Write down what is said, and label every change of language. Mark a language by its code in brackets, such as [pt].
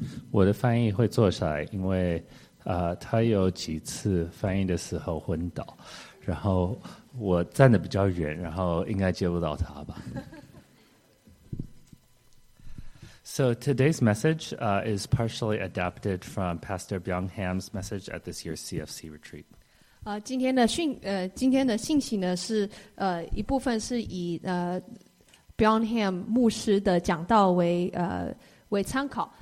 [zh] 我的翻译会坐下来，因为他有几次翻译的时候昏倒，然后我站得比较远，然后应该接不到他吧。 [en] So today's message is partially adapted from Pastor Byung Ham's message at this year's CFC retreat. [zh] 今天的信息呢是一部分是以Byung Ham 牧师的讲道为参考。